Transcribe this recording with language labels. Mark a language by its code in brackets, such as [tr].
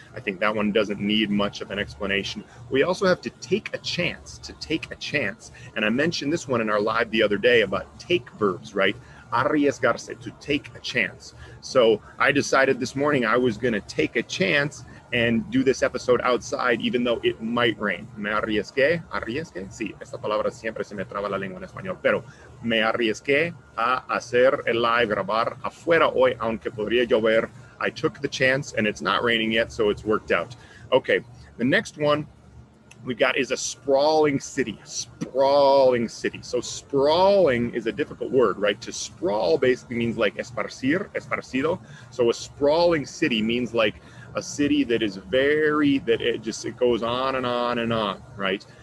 [en] I think that one doesn't need much of an explanation. We also have to take a chance, to take a chance. And I mentioned this one in our live the other day about take verbs, right? Arriesgarse, to take a chance. So I decided this morning I was going to take a chance and do this episode outside, even though it might rain. [es] Me arriesgué, arriesgué. Sí, esta palabra siempre se me traba la lengua en español. Pero me arriesgué a hacer el live, grabar afuera hoy, aunque podría llover. [en] I took the chance, and it's not raining yet, so it's worked out. Okay, the next one we got is a sprawling city. Sprawling city. So sprawling is a difficult word, right? To sprawl basically means like esparcir, esparcido. So a sprawling city means like a city that is very, that it just, it goes on and on and on, right?